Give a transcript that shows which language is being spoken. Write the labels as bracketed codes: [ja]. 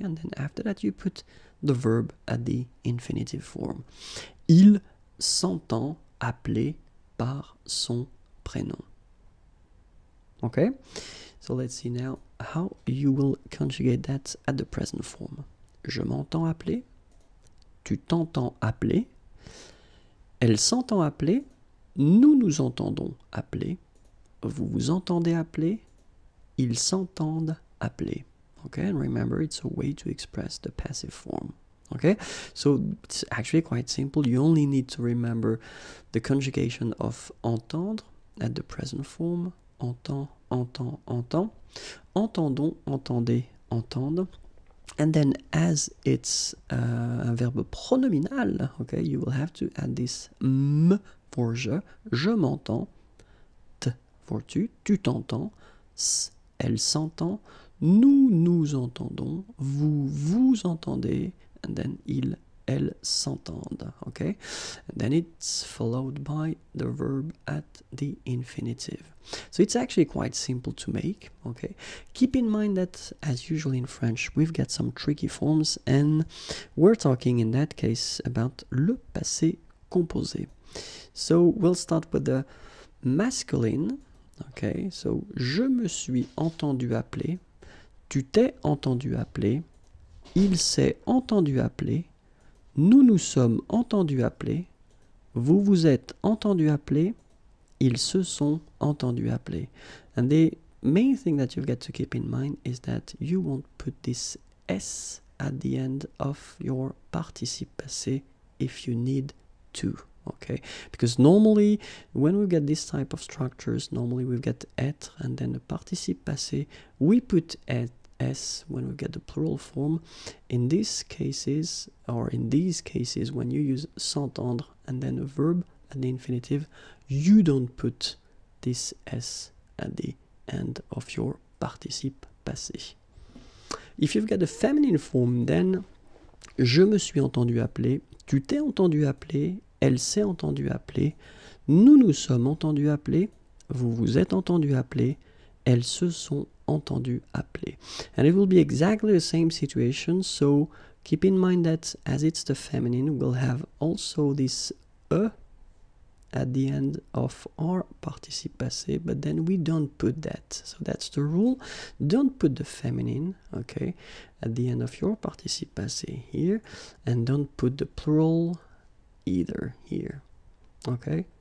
[en] And then after that, you put the verb at the infinitive form. [fr] Il s'entend appeler par son prénom, okay? [en] So let's see now how you will conjugate that at the present form. [fr] Je m'entends appeler. Tu t'entends appeler. Elle s'entend appeler, nous nous entendons appeler, vous vous entendez appeler, ils s'entendent appeler. [en] Okay, and remember, it's a way to express the passive form. Okay, so it's actually quite simple. You only need to remember the conjugation of entendre at the present form. [fr] Entend, entend, entend. Entendons, entendez, entendre. [en] And then as it's a verb pronominal, okay, you will have to add this m for [fr] je m'entends, [en] t for [fr] tu t'entends, [en] s, [fr] elle s'entend, nous nous entendons, vous vous entendez, [en] and then [fr] il, elle s'entendent, [en] okay? And then it's followed by the verb at the infinitive. So it's actually quite simple to make, okay? Keep in mind that, as usual in French, we've got some tricky forms, and we're talking in that case about [fr] le passé composé. [en] So we'll start with the masculine, okay? [fr] So je me suis entendu appeler, tu t'es entendu appeler, il s'est entendu appeler, nous nous sommes entendus appeler, vous vous êtes entendus appeler, ils se sont entendus appeler. [en] And the main thing that you've got to keep in mind is that you won't put this S at the end of your participe passé if you need to, okay? Because normally, when we get this type of structures, normally we've got être and then the participe passé, we put être. S when we get the plural form. In these cases, when you use s'entendre and then a verb at the infinitive, you don't put this S at the end of your participe passé. If you've got a feminine form, then [fr] je me suis entendu appeler, tu t'es entendu appeler, elle s'est entendu appeler, nous nous sommes entendu appeler, vous vous êtes entendu appeler, elles se sont entendu appeler. [en] And it will be exactly the same situation, so keep in mind that as it's the feminine, we'll have also this E at the end of our participe passé, but then we don't put that. So that's the rule. Don't put the feminine, okay, at the end of your participe passé here, and don't put the plural either here, okay?